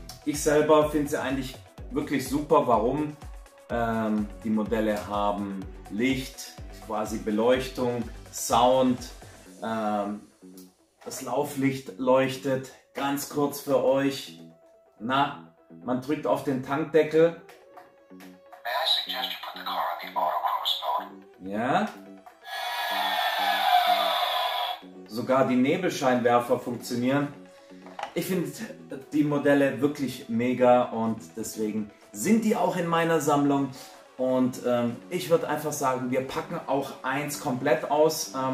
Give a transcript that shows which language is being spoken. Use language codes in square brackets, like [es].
[de] Ich selber finde sie eigentlich wirklich super, warum die Modelle haben Licht, quasi Beleuchtung, Sound, das Lauflicht leuchtet. Ganz kurz für euch, na, man drückt auf den Tankdeckel. [en] May I suggest you put the car on the autocross mode? [de] Ja. Sogar die Nebelscheinwerfer funktionieren. Ich finde die Modelle wirklich mega und deswegen sind die auch in meiner Sammlung. Und ich würde einfach sagen, wir packen auch eins komplett aus.